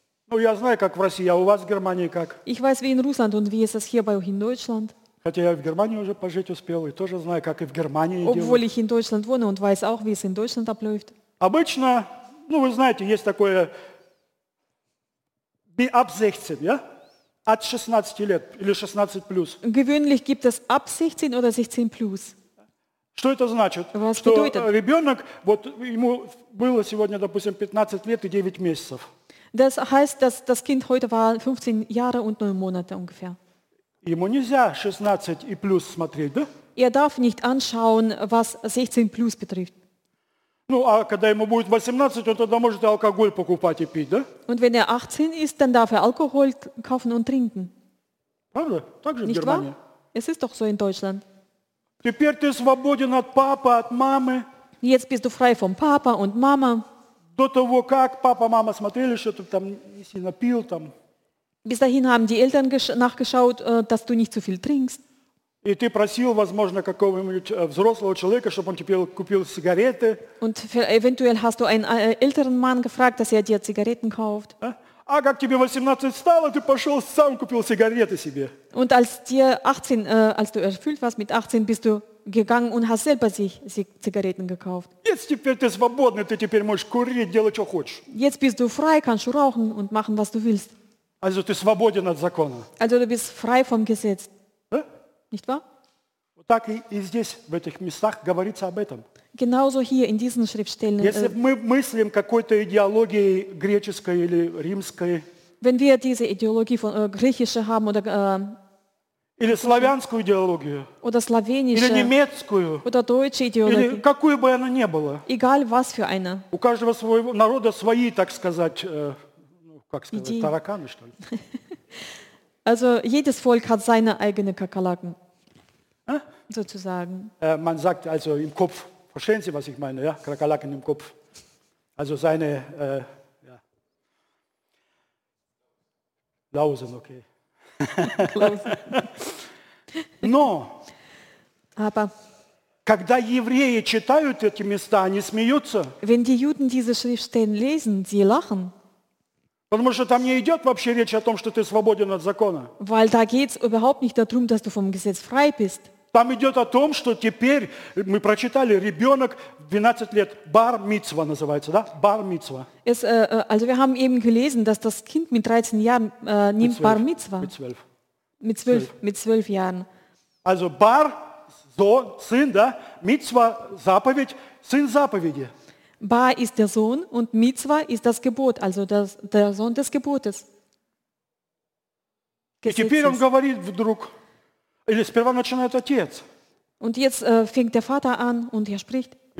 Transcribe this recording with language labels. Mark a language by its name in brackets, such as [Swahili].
[Russian] Ну, я знаю, как в России, а у вас в Германии как? [German] Ich weiß, wie in Russland und wie ist es hier bei euch in Deutschland? [Russian] Хотя я в Германии уже пожить успел и тоже знаю, как и в Германии. [German] Obwohl ich in Deutschland wohne und weiß auch, wie es in Deutschland abläuft. [Russian] Обычно, ну вы знаете, есть такое [German] ab 16, ja? [Russian] От 16 лет или 16 плюс. [German] Gewöhnlich gibt es ab 16 oder 16 plus. [Russian] Что это значит? [German] Was [Russian] что [German] bedeutet? [Russian] Ребенок, вот ему было сегодня, допустим, 15 лет и 9 месяцев. [German] Das heißt, dass das Kind heute war 15 Jahre und 9 Monate ungefähr. [Russian] Ему нельзя 16 и плюс смотреть, да? [German] Er darf nicht anschauen, was 16 plus betrifft. [Russian] Ну, а когда ему будет 18, он тогда может алкоголь покупать и пить, да? [German] Und wenn er 18 ist, dann darf er Alkohol kaufen und trinken. [Russian] Правда? Так же [German] nicht [Russian] в Германии. [German] Wahr? Es ist doch so in Deutschland. [Russian] Теперь ты свободен от папы, от мамы. [German] Jetzt bist du frei von Papa und Mama. [Russian] До того, как папа, мама смотрели, что ты там не сильно пил там. [German] Bis dahin haben die Eltern nachgeschaut, dass du nicht zu viel trinkst. [Russian] И ты просил, возможно, какого-нибудь взрослого человека, чтобы он тебе купил сигареты. [German] Und eventuell hast du einen älteren Mann gefragt, dass er dir Zigaretten kauft. [Russian] А как тебе 18 стало, ты пошел сам купил сигареты себе. [German] Und als dir 18, als du erfüllt warst mit 18, bist du gegangen und hast selber sich Zigaretten gekauft. Jetzt [Russian] теперь ты свободный, ты теперь можешь курить, делать, что хочешь. [German] Jetzt bist du frei, kannst du rauchen und machen, was du willst. Also [Russian] ты свободен от закона. [German] Also du bist frei vom Gesetz. Nicht wahr? [Russian] Вот так и здесь, в этих местах, говорится об этом. [German] Genauso hier in diesen Schriftstellen. [Russian] Если мы мыслим какой-то идеологией греческой или римской, [German] wenn wir diese Ideologie von, griechische haben oder, [Russian] или славянскую идеологию, [German] oder славянische, [Russian] или немецкую, [German] oder deutsche Ideologie, [Russian] или какую бы она ни была, [German] egal was für eine, [Russian] у каждого своего народа свои, так сказать, как сказать, идеи. Тараканы, что ли? [German] Also jedes Volk hat seine eigene Kakerlaken, sozusagen. Man sagt also im Kopf, verstehen Sie, was ich meine, ja? Kakerlaken im Kopf. Also seine, ja. Klausen, okay. Klausen. [Russian] Но, [German] aber, [Russian] когда евреи читают эти места, они смеются. [German] Wenn die Juden diese Schriftstellen lesen, sie lachen. [Russian] Потому что там не идет вообще речь о том, что ты свободен от закона. [German] Weil da geht's überhaupt nicht darum, dass du vom Gesetz frei bist. [Russian] Там идет о том, что теперь, мы прочитали, ребенок 12 лет, бар митцва называется, да? Бар митцва. [German] Es, also wir haben eben gelesen, dass das Kind mit 13 Jahren nimmt mit 12, bar митцва. Mit 12. Mit 12, 12. Mit 12 Jahren. Also [Russian] бар, [German] Sohn, [Russian] Сын, да? Митцва, заповедь, Сын заповеди. [German] Bar ist der Sohn und Mitzwa ist das Gebot, also das, der Sohn des Gebotes. Gesetzes. Und jetzt fängt der Vater an und er spricht.